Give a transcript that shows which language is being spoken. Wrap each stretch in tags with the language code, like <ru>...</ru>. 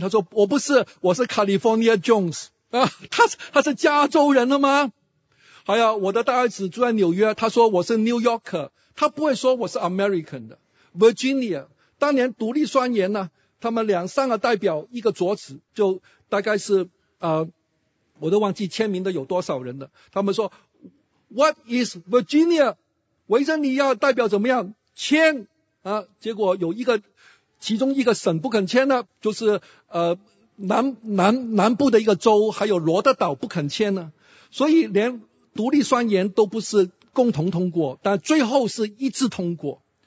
<zh>他说我不是，我是 California Jones 啊。他是加州人了吗？还有我的大儿子住在纽约，他说我是 New Yorker， 他不会说我是 American 的。 Virginia 当年独立宣言呢，他们两三个代表一个桌子，就大概是我都忘记签名的有多少人了。</zh> <en>他们说 What is Virginia？</en> <zh>维珍尼亚代表怎么样签啊？结果有一个，其中一个省不肯签呢，就是南部的一个州，还有罗德岛不肯签呢。所以连独立宣言都不是共同通过，但最后是一致通过。</zh>